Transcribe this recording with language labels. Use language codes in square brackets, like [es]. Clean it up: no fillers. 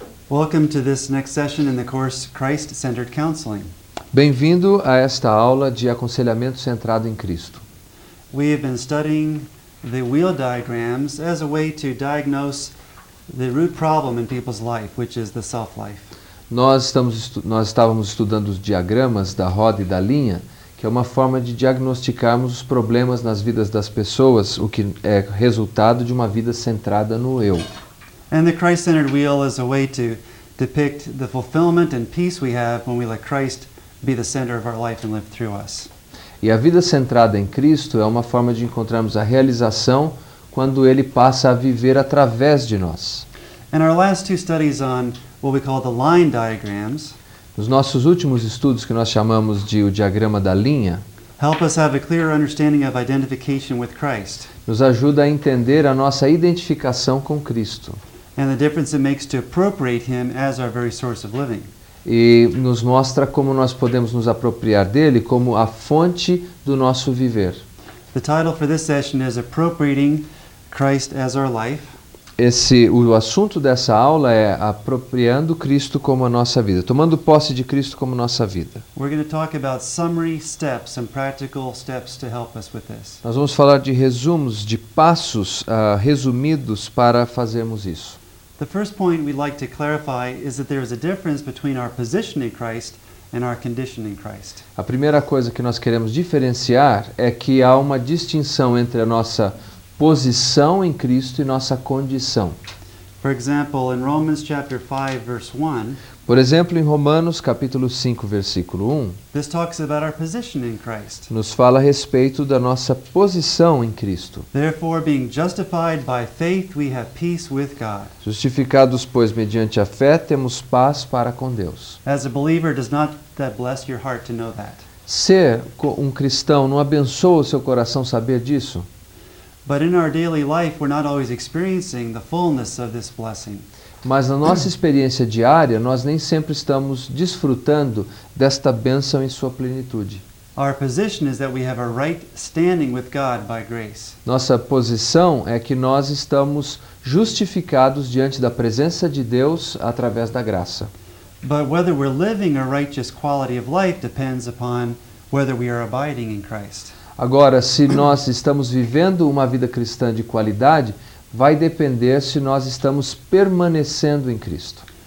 [en] Welcome to this next session in the course Christ-Centered Counseling. [pt] Bem-vindo a esta aula de aconselhamento centrado em Cristo. [en] We have been studying the wheel diagrams as a way to diagnose the root problem in people's life, which is the self-life. [pt] Nós estávamos estudando os diagramas da roda e da linha, que é uma forma de diagnosticarmos os problemas nas vidas das pessoas, o que é resultado de uma vida centrada no eu. [en] And the Christ-centered wheel is a way to depict the fulfillment and peace we have when we let Christ be the center of our life and live through us. [pt] E a vida centrada em Cristo é uma forma de encontrarmos a realização quando Ele passa a viver através de nós. [en] And our last two studies on what we call the line diagrams. [pt] Nos nossos últimos estudos, que nós chamamos de o diagrama da linha, [en] help us have a clearer understanding of identification with Christ. [pt] Nos ajuda a entender a nossa identificação com Cristo. [en] And the difference it makes to appropriate Him as our very source of living. [pt] E nos mostra como nós podemos nos apropriar dele como a fonte do nosso viver. [en] The title for this session is Appropriating Christ as Our Life. [pt] O assunto dessa aula é apropriando Cristo como a nossa vida, tomando posse de Cristo como nossa vida. [en] We're going to talk about summary steps and practical steps to help us with this. [pt] Nós vamos falar de resumos, de passos resumidos para fazermos isso. [en] The first point we'd like to clarify is that there is a difference between our position in Christ and our condition in Christ. [pt] A primeira coisa que nós queremos diferenciar é que há uma distinção entre a nossa posição em Cristo e nossa condição. [en] For example, in Romans chapter 5 verse 1. [pt] Por exemplo, em Romanos capítulo 5 versículo 1. [en] This talks about our position in Christ. [pt] Nos fala a respeito da nossa posição em Cristo. [en] Therefore, being justified by faith, we have peace with God. [pt] Justificados, pois, mediante a fé, temos paz para com Deus. [en] As a believer, does not that bless your heart to know that? [pt] Ser um cristão não abençoa o seu coração saber disso? [en] But in our daily life, we're not always experiencing the fullness of this blessing. [pt] Mas na nossa experiência diária, nós nem sempre estamos desfrutando desta bênção em sua plenitude. [en] Our position is that we have a right standing with God by grace. [pt] Nossa posição é que nós estamos justificados diante da presença de Deus através da graça. [en] But whether we're living a righteous quality of life depends upon whether we are abiding in Christ. [pt] Agora, se nós estamos vivendo uma vida cristã de qualidade, vai depender se nós estamos permanecendo em Cristo.